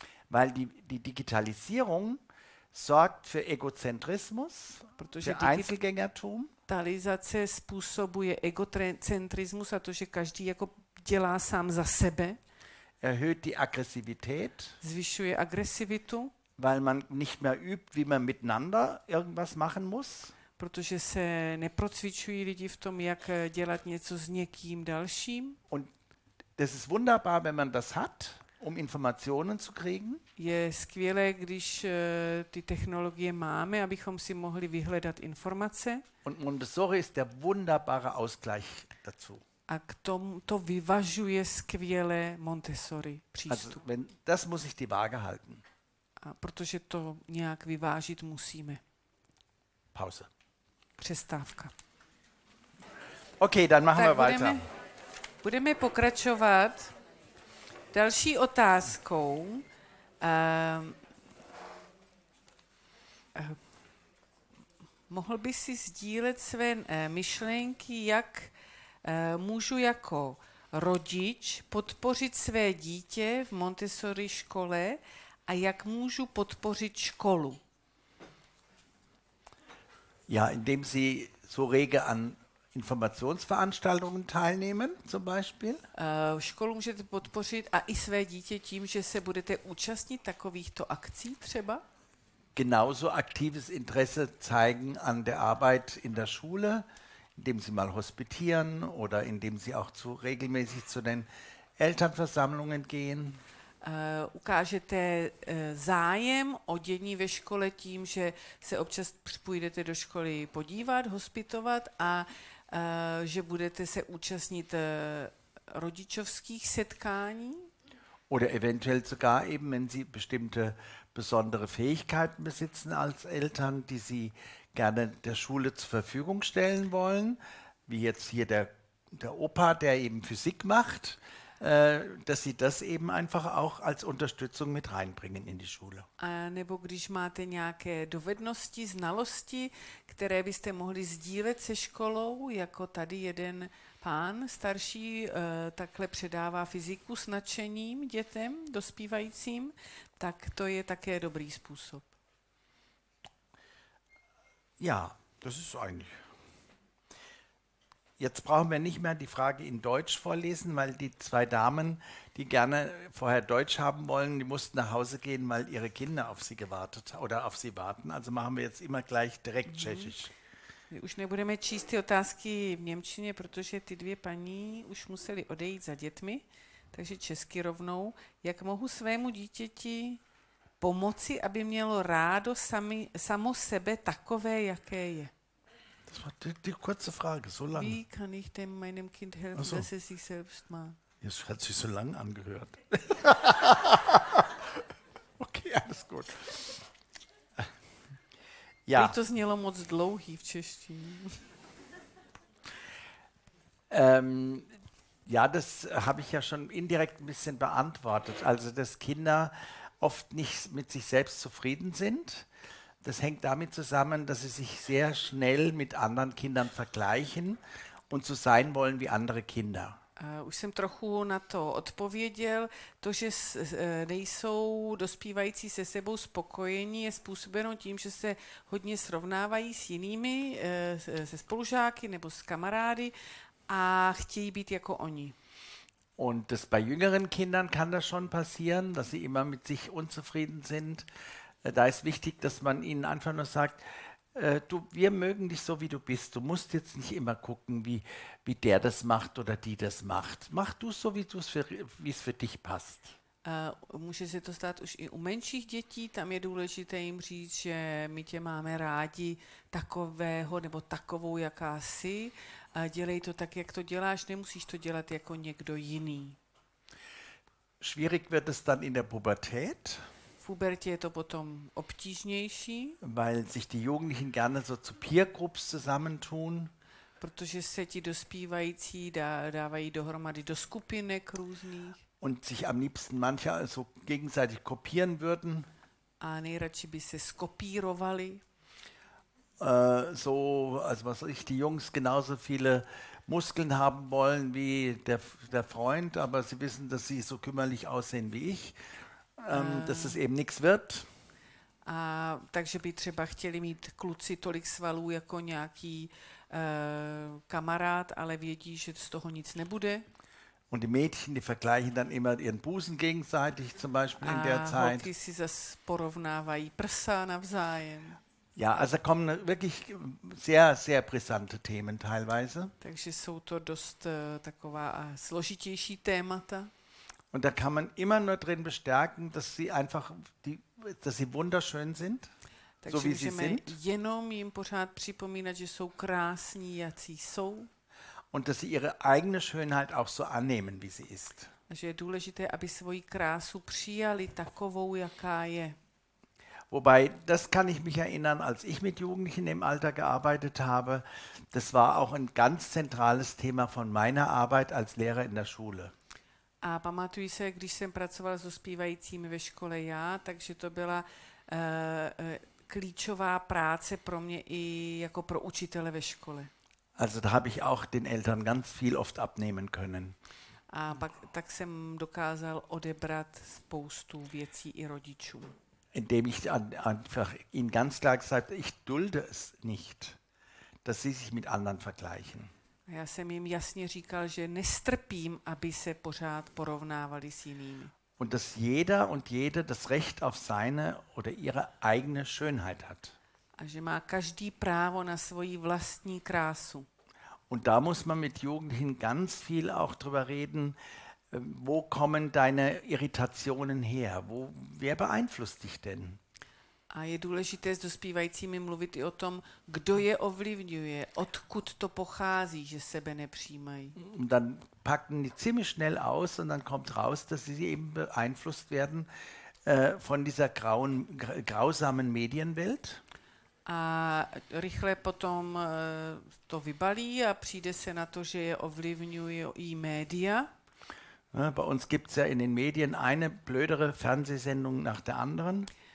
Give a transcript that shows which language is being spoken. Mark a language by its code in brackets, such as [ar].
[de] Weil die Digitalisierung sorgt für Egozentrismus, [cs] protože [de] für Einzelgängertum. [cs] Digitalizace způsobuje egocentrismus, a to, že každý jako dělá sám za sebe. [de] Erhöht die Aggressivität. [cs] Zvyšuje agresivitu. [de] Weil man nicht mehr übt, wie man miteinander irgendwas machen muss. [cs] Protože se neprocvičují lidi v tom, jak dělat něco s někým dalším. [de] Und das ist wunderbar, wenn man das hat, um Informationen zu kriegen. [cs] Je skvělé, když ty technologie máme, abychom si mohli vyhledat informace. [de] Und Montessori ist der wunderbare Ausgleich dazu. [cs] A k tomu to vyvažuje skvěle Montessori přístup. [de] Also, wenn, das muss ich die Waage halten. [cs] A protože to nějak vyvážit musíme. [de] Pause. [cs] Přestávka. [de] Okay, dann machen [cs] tak [de] wir weiter. [cs] Budeme pokračovat další otázkou. Mohl by si sdílet své myšlenky, jak můžu jako rodič podpořit své dítě v Montessori škole a jak můžu podpořit školu? [de] Ja, indem Sie so rege an Informationsveranstaltungen teilnehmen, zum Beispiel. [cs] Školu můžete podpořit a i své dítě tím, že se budete účastnit takovýchto akcí třeba? [de] Genauso aktives Interesse zeigen an der Arbeit in der Schule, indem Sie mal hospitieren oder indem Sie auch regelmäßig zu den Elternversammlungen gehen. [cs] Ukážete zájem o dění ve škole tím, že se občas půjdete do školy podívat, hospitovat a že budete se účastnit rodičovských setkání? [de] Oder eventuell sogar eben, wenn Sie bestimmte besondere Fähigkeiten besitzen als Eltern, die Sie gerne der Schule zur Verfügung stellen wollen, wie jetzt hier der Opa, der eben Physik macht, dass sie das eben einfach auch als Unterstützung mit reinbringen in die Schule. [cs] Nebo když máte nějaké dovednosti, znalosti, které byste mohli sdílet se školou, jako tady jeden pán starší takhle předává fyziku s nadšením dětem, dospívajícím, tak to je také dobrý způsob. [de] Ja, das ist eigentlich. Jetzt brauchen wir nicht mehr die Frage in Deutsch vorlesen, weil die zwei Damen, die gerne vorher Deutsch haben wollen, die mussten nach Hause gehen, weil ihre Kinder auf sie gewartet oder auf sie warten. Also machen wir jetzt immer gleich direkt Tschechisch. [cs] Už nebudeme číst ty otázky v němčině, protože ty dvě paní už museli odejít za dětmi, takže česky rovnou. Jak mohu svému dítěti pomoci, aby mělo rádo samo sebe takové, jaké je? [de] Das war die kurze Frage, so lange. Wie kann ich denn meinem Kind helfen, so, dass es sich selbst mag? Das hat sich so lang angehört. Okay, alles gut. Ja. Wie [cs] to znělo moc dlouhý v češtině. [de] Ja, das habe ich ja schon indirekt ein bisschen beantwortet. Also, dass Kinder oft nicht mit sich selbst zufrieden sind. Das hängt damit zusammen, dass sie sich sehr schnell mit anderen Kindern vergleichen und so sein wollen wie andere Kinder. [cs] Už jsem trochu na to odpověděl. To, že nejsou dospívající se sebou spokojení, je způsobeno tím, že se hodně srovnávají s jinými, se spolužáky nebo s kamarády a chtějí být jako oni. [de] Und das bei jüngeren Kindern kann das schon passieren, dass sie immer mit sich unzufrieden sind. Da ist wichtig, dass man ihnen einfach nur sagt, wir mögen dich so, wie du bist. Du musst jetzt nicht immer gucken, wie der das macht oder die das macht. Mach du es so, wie es für dich passt. [cs] Může se to stát už i u menších dětí. Tam je důležité jim říct, že my tě máme rádi takového nebo takovou, jaká jsi. Dělej to tak, jak to děláš. Nemusíš to dělat jako někdo jiný. [de] Schwierig wird es dann in der Pubertät, [cs] v pubertě je to potom obtížnější, [de] weil sich die Jugendlichen gerne so zu peer groups zusammentun. [cs] Protože se ti dospívající dávají dohromady do skupinek různých. [de] Und sich am liebsten manche also gegenseitig kopieren würden. [cs] A nejradši by se skopírovali. [de] So, also was ich, die Jungs genauso viele Muskeln haben wollen wie der Freund, aber sie wissen, dass sie so kümmerlich aussehen wie ich, dass es eben nichts wird. [cs] A takže by třeba chtěli mít kluci tolik svalů jako nějaký kamarád, ale vědí, že z toho nic nebude. [de] Und die Mädchen, die vergleichen dann immer ihren Busen gegenseitig, zum Beispiel in der Zeit. [cs] Holky si zas porovnávají prsa navzájem. [de] Ja, also kommen wirklich sehr, sehr brisante Themen teilweise. [cs] Takže jsou to dost taková složitější témata. [de] Und da kann man immer nur drin bestärken, dass sie einfach, dass sie wunderschön sind, [cs] takže [de] so wie sie sind. [cs] Takže můžeme jenom jim pořád připomínat, že jsou krásní, jací jsou. [de] Und dass sie ihre eigene Schönheit auch so annehmen, wie sie ist. [cs] Že je důležité, aby svoji krásu přijali takovou, jaká je. [de] Wobei, das kann ich mich erinnern, als ich mit Jugendlichen im Alter gearbeitet habe, das war auch ein ganz zentrales Thema von meiner Arbeit als Lehrer in der Schule. [cs] A pamatuji se, když jsem pracoval s dospívajícími ve škole já, takže to byla klíčová práce pro mě i jako pro učitele ve škole. [de] Also da habe ich auch den Eltern ganz viel oft abnehmen können. [cs] A pak, tak jsem dokázal odebrat spoustu věcí i rodičům. [de] Indem ich einfach ihnen ganz klar gesagt, ich dulde es nicht, dass sie sich mit anderen vergleichen. [cs] Já jsem jim jasně říkal, že nestrpím, aby se pořád porovnávali s jinými. [de] Und dass jeder und jede das Recht auf seine oder ihre eigene Schönheit hat. [cs] A že má každý právo na svoji vlastní krásu. [de] Und da muss man mit Jugendlichen ganz viel auch drüber reden, wo kommen deine Irritationen her? Wer beeinflusst dich denn? [cs] A je důležité s dospívajícími mluvit i o tom, kdo je ovlivňuje, odkud to pochází, že sebe nepřijímají. [de] Und dann packen die ziemlich schnell aus und dann kommt raus, dass sie eben beeinflusst werden von dieser grausamen Medienwelt. [cs] A rychle potom to vybalí a přijde se na to, že je ovlivňují i média. [de] Ja, bei uns gibt's ja in den Medien eine blödere Fernsehsendung nach der anderen.